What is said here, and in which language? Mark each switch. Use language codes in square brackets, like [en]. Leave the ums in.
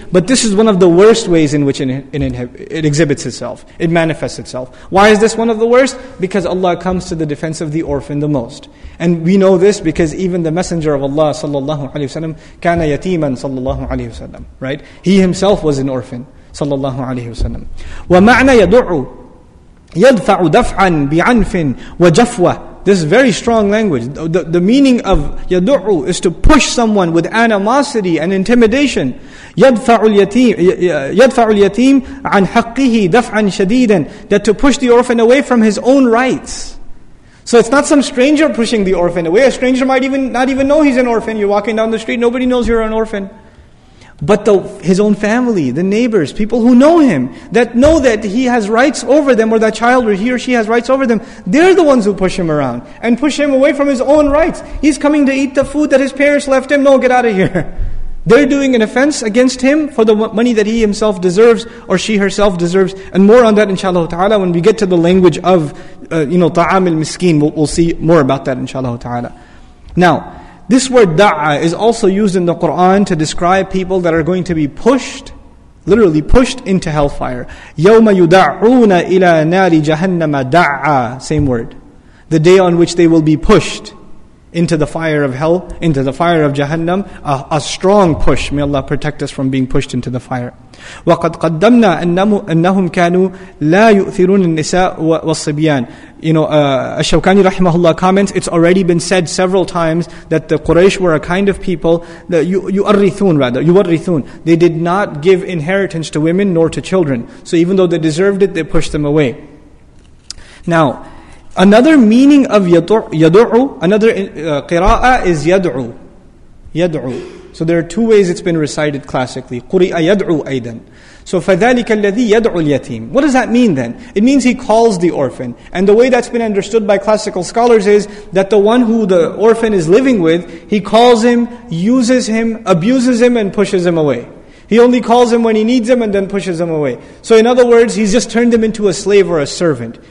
[en] But this is one of the worst ways in which it, it, it exhibits itself, it manifests itself. Why is this one of the worst? Because Allah comes to the defense of the orphan the most. And we know this because even the Messenger of Allah sallallahu alaihi wasallam, [ar] kana yatiman [en] sallallahu alaihi wasallam, right? He himself was an orphan sallallahu alaihi wasallam. [ar] ومعنى يدعو يدفع دفعا بعنف وجفوة [en] This is very strong language. The, the- the meaning of يدعو is to push someone with animosity and intimidation. [ar] يدفع اليتيم, يدفع اليتيم عن حقه دفعا شديدا [en] That to push the orphan away from his own rights. So it's not some stranger pushing the orphan away. A stranger might even not even know he's an orphan. You're walking down the street, nobody knows you're an orphan. But the, his own family, the neighbors, people who know him, that know that he has rights over them, or that child or he or she has rights over them, they're the ones who push him around and push him away from his own rights. He's coming to eat the food that his parents left him. No, get out of here. They're doing an offense against him for the mo- money that he himself deserves or she herself deserves. And more on that, inshallah ta'ala, when we get to the language of, uh, you know, ta'am al miskin, we'll, we'll see more about that, inshallah ta'ala. Now, this word da'a is also used in the Quran to describe people that are going to be pushed, literally pushed into hellfire. [ar] يَوْمَ يُدَعُّونَ إِلَى نَارِ جَهَنَّمَ دَعَّا [en] Same word. The day on which they will be pushed into the fire of hell, into the fire of Jahannam, a, a strong push. May Allah protect us from being pushed into the fire. [ar] وَقَدْ قَدَّمْنَا أَنَّمُ- أَنَّهُمْ كَانُوا لَا يُؤْثِرُونَ النِّسَاء و- وَالصِّبْيَانِ [en] You know, uh, Ash-Shawkani rahimahullah comments, it's already been said several times that the Quraysh were a kind of people, that you, يُؤَرِّثُون rather, يُؤَرِّثُون They did not give inheritance to women nor to children. So even though they deserved it, they pushed them away. Now, another meaning of yadu- yad'u, another uh, qira'ah is yad'u. Yad'u. So there are two ways it's been recited classically. [ar] قُرِئَ يَدْعُو أَيْضًا So فَذَلِكَ الَّذِي يَدْعُو الْيَتِيمِ [en] What does that mean then? It means he calls the orphan. And the way that's been understood by classical scholars is that the one who the orphan is living with, he calls him, uses him, abuses him, and pushes him away. He only calls him when he needs him and then pushes him away. So, in other words, he's just turned him into a slave or a servant.